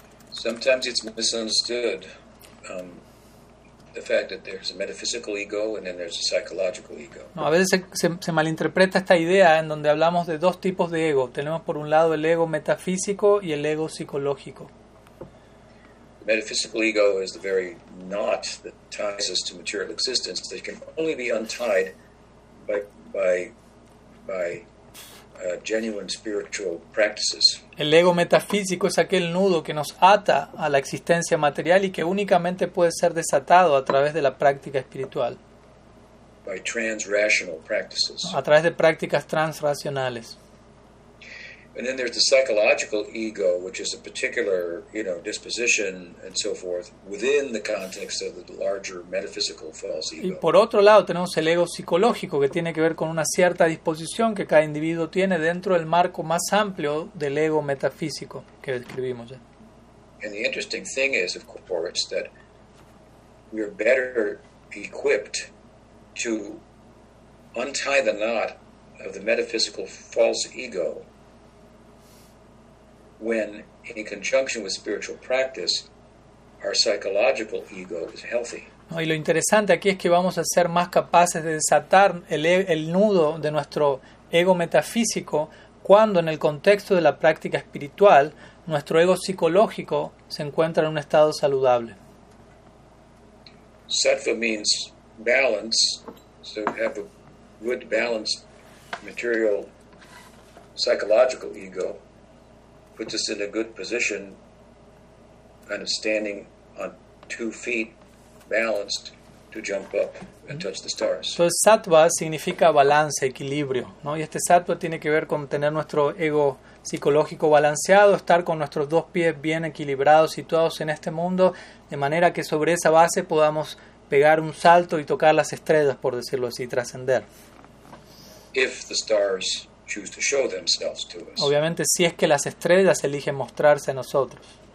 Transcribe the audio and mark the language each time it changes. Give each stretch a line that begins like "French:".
English: Sometimes it's misunderstood, the fact that there's a metaphysical ego and then there's a psychological ego.
Spanish: No, a veces se malinterpreta esta idea en donde hablamos de dos tipos de ego. Tenemos por un lado el ego metafísico y el ego psicológico.
English: The metaphysical ego is the very knot that ties us to material existence that can only be untied by genuine spiritual practices.
Spanish: El ego metafísico es aquel nudo que nos ata a la existencia material y que únicamente puede ser desatado a través de la práctica espiritual.
English: By transrational practices.
Spanish: A través de prácticas transracionales.
English: And then there's the psychological ego, which is a particular, you know, disposition and so forth within the context of the larger metaphysical false ego.
Spanish: Y por otro lado tenemos el ego psicológico que tiene que ver con una cierta disposición que cada individuo tiene dentro del marco más amplio del ego metafísico que describimos ya.
English: And the interesting thing is, of course, that we are better equipped to untie the knot of the metaphysical false ego when, in conjunction with spiritual practice, our psychological ego is healthy.
Spanish: No, y lo interesante aquí es que vamos a ser más capaces de desatar el nudo de nuestro ego metafísico cuando, en el contexto de la práctica espiritual, nuestro ego psicológico se encuentra en un estado saludable.
English: Sattva means balance, so have a good balanced material psychological ego. Puts us in a good position, kind of standing on two feet, balanced, to jump up and touch the stars.
Spanish: So, sattva significa balance, equilibrio, ¿no? Y este sattva tiene que ver con tener nuestro ego psicológico balanceado, estar con nuestros dos pies bien equilibrados, situados en este mundo, de manera que sobre esa base podamos pegar un salto y tocar las estrellas, por decirlo así, trascender.
English: If the stars choose to show themselves to us.
Spanish: Obviamente, si es que las estrellas eligen mostrarse a nosotros.